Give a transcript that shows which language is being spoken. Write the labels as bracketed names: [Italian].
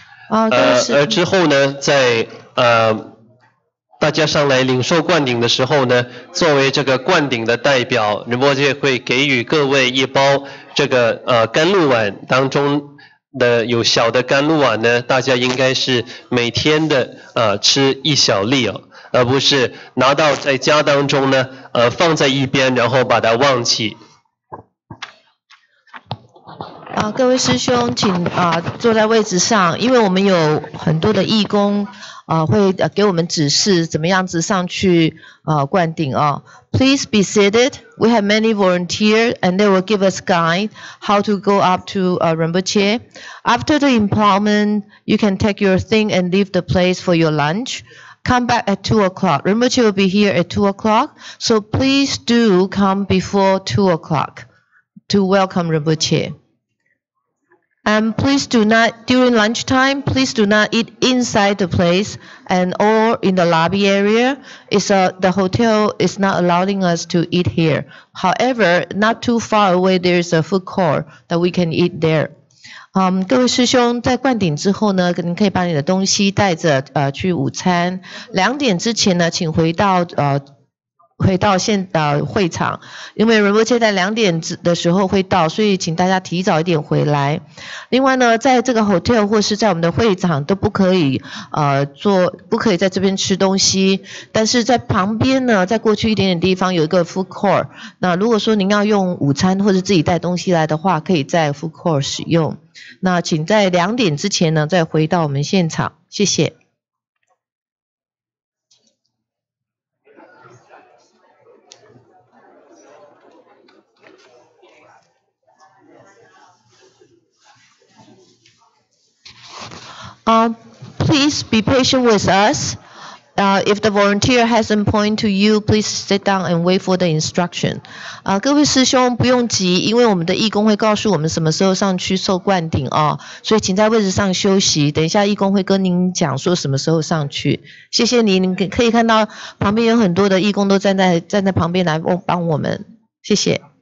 [Chinese] 而之后呢在大家上来领受灌顶的时候呢，作为这个灌顶的代表，仁波切会给予各位一包这个甘露碗，当中的有小的甘露碗呢，大家应该是每天的吃一小粒哦，而不是拿到在家当中呢放在一边然后把它忘记。各位师兄请坐在位置上，因为我们有很多的义工会给我们指示怎么样子上去灌顶哦。 [English] Please be seated. We have many volunteers and they will give us guide how to go up to Rinpoche. After the empowerment, you can take your thing and leave the place for your lunch. Come back at 2 o'clock. Rinpoche will be here at 2 o'clock. So please do come before 2 o'clock to welcome Rinpoche. And please do not, during lunchtime, please do not eat inside the place and or in the lobby area. The hotel is not allowing us to eat here. However, not too far away, there is a food court that we can eat there. [Chinese] 各位师兄在灌顶之后呢，你可以把你的东西带着去午餐。两点之前呢，请回到会场，因为仁波切在两点的时候会到，所以请大家提早一点回来。另外呢，在这个 hotel 或是在我们的会场都不可以不可以在这边吃东西，但是在旁边呢，在过去一点点地方有一个 food court， 那如果说您要用午餐或是自己带东西来的话，可以在 food court 使用。那请在两点之前呢再回到我们现场，谢谢。 [English] Please be patient with us. If the volunteer hasn't pointed to you, please sit down and wait for the instruction. [Chinese] 各位师兄不用急，因为我们的义工会告诉我们什么时候上去受灌顶哦，所以请在位置上休息，等一下义工会跟您讲说什么时候上去。谢谢您，你可以看到旁边有很多的义工都站在旁边来帮我们，谢谢。